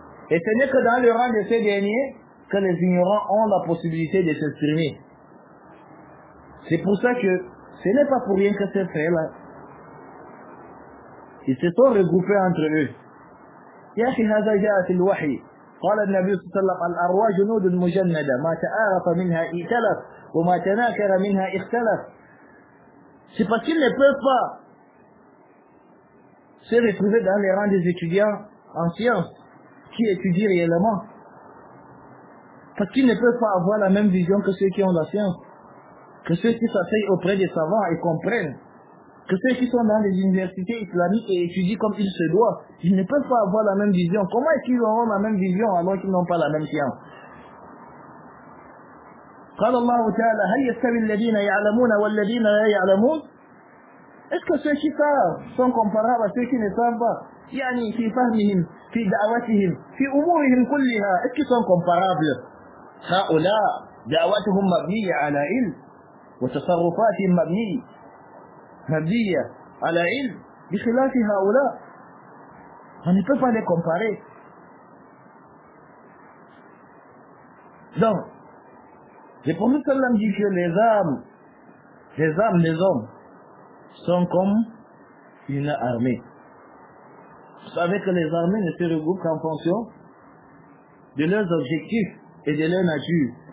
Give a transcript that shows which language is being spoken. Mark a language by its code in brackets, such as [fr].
[fr] Et ce n'est que dans le rang de ces derniers que les ignorants ont la possibilité de s'exprimer. C'est pour ça que ce n'est pas pour rien que ces frères-là, ils se sont regroupés entre eux. Yahi Hazaja Asil Wahi, [ar] قال النبي صلى الله عليه وسلم: الأرواح جنود مجندة، ما تآرف منها ائتلف وما تناكر منها اختلف. [fr] C'est parce qu'ils ne peuvent pas se retrouver dans les rangs des étudiants en sciences qui étudient réellement. Parce qu'ils ne peuvent pas avoir la même vision que ceux qui ont la science, que ceux qui s'asseyent auprès des savants et comprennent, que ceux qui sont dans les universités islamiques et étudient comme il se doit, ils ne peuvent pas avoir la même vision. Comment est-ce qu'ils auront la même vision alors qu'ils n'ont pas la même science ? [ar] قال الله تعالى: هل يستوي الذين يعلمون والذين لا يعلمون؟ [fr] Est-ce que ceux qui savent sont comparables à ceux qui ne savent pas؟ [ar] يعني في فهمهم، في دعوتهم، في أمورهم كلها، [fr] est-ce qu'ils sont comparables؟ [ar] هؤلاء دعوتهم مبنية على علم، وتصرفاتهم مبنية على علم، بخلاف هؤلاء، [fr] on ne peut pas les comparer. Donc le prophète sallam dit que les hommes sont comme une armée. Vous savez que les armées ne se regroupent qu'en fonction de leurs objectifs et de leur nature.